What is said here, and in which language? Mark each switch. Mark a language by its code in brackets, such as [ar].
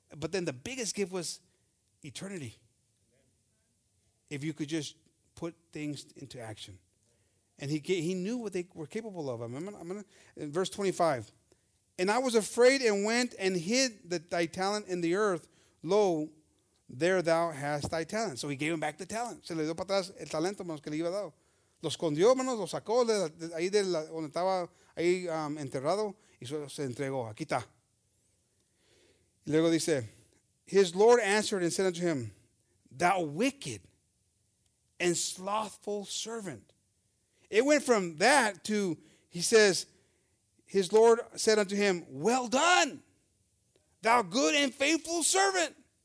[en] But then the biggest gift was eternity. If you could just put things into action. And he knew what they were capable of. I'm gonna, in verse 25. And I was afraid and went and hid thy talent in the earth. Lo, there thou hast thy talent. So he gave him back the talent. [es] Se le dio para atrás el talento, hermanos, que le iba a dar. Lo escondió, hermanos, lo sacó ahí de donde estaba ahí enterrado y se entregó. Aquí está. Luego dice, [en] his Lord answered and said unto him, thou wicked and slothful servant. It went from that to, he says, his Lord said unto him, well done, thou good and faithful servant.